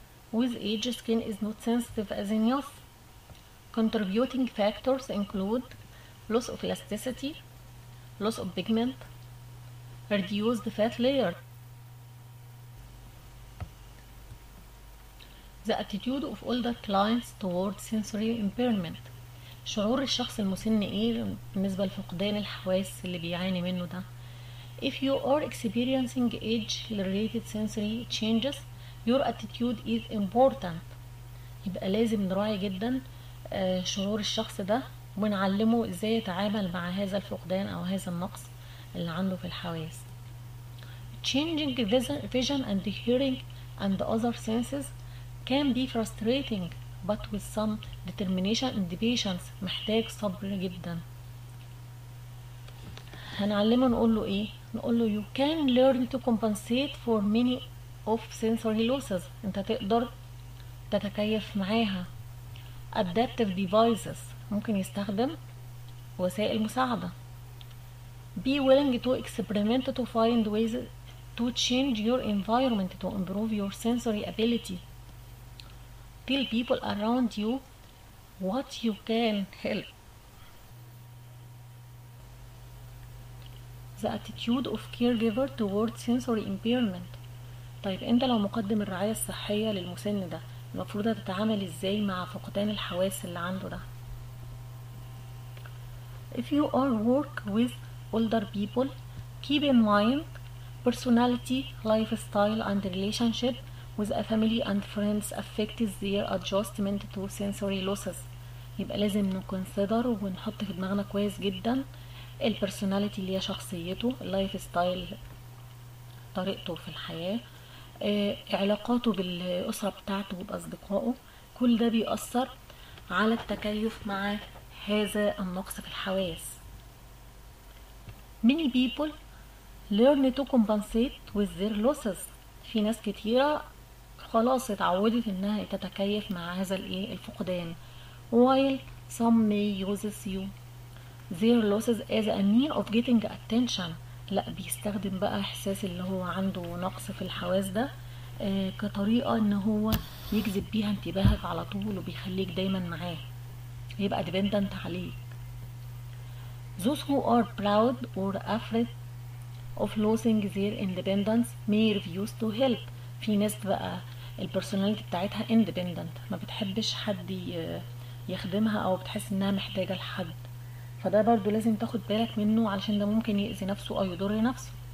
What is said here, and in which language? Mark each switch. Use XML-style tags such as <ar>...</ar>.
<en>With age, skin is not sensitive as enough. Contributing factors include loss of elasticity, loss of pigment, reduced fat layer. The attitude of older clients towards sensory impairment.</en> <ar>شعور الشخص المسن ايه بالنسبة لفقدان الحواس اللي بيعاني منه ده.</ar> <en>If you are experiencing age-related sensory changes, your attitude is important.</en> <ar>يبقى لازم نراعي جدا شعور الشخص ده ونعلمه ازاي يتعامل مع هذا الفقدان او هذا النقص اللي عنده في الحواس.</ar> <en>Changing vision and hearing and other senses can be frustrating. But with some determination and patience</en> <ar>محتاج صبر جدا. هنعلمه نقول له ايه؟ نقول له</ar> <en>you can learn to compensate for many of sensory losses.</en> <ar>انت تقدر تتكيف معاها.</ar> <en>Adaptive devices</en> <ar>ممكن يستخدم وسائل مساعدة.</ar> <en>Be willing to experiment to find ways to change your environment to improve your sensory ability. Tell people around you what you can help. The attitude of caregiver towards sensory impairment.</en> <ar>طيب انت لو مقدم الرعاية الصحية للمسن ده المفروض هتتعامل ازاي مع فقدان الحواس اللي عنده ده.</ar> <en>If you are work with older people, keep in mind personality, lifestyle and relationship with a family and friends affects their adjustment to sensory losses.</en> <ar>يبقى لازم نكونسيدر ونحط في دماغنا كويس جدا البرسوناليتي اللي هي شخصيته، اللايف ستايل طريقته في الحياة، علاقاته بالأسرة بتاعته وبأصدقائه، كل ده بيأثر على التكيف مع هذا النقص في الحواس.</ar> <en>Many people learn to compensate with their losses.</en> <ar>في ناس كتيرة خلاص اتعودت انها تتكيف مع هذا الايه الفقدان.</ar> <en>While some may uses you their losses as a mean of getting attention.</en> <ar>لا، بيستخدم بقى احساس اللي هو عنده نقص في الحواس ده كطريقة ان هو يجذب بيها انتباهك على طول وبيخليك دايما معاه، يبقى dependent عليك.</ar> <en>Those who are proud or afraid of losing their independence may refuse to help.</en> <ar>في ناس بقى البرسوناليتي بتاعتها independent، ما بتحبش حد يخدمها او بتحس انها محتاجة لحد، فده برضو لازم تاخد بالك منه علشان ده ممكن يأذي نفسه او يضر نفسه.</ar>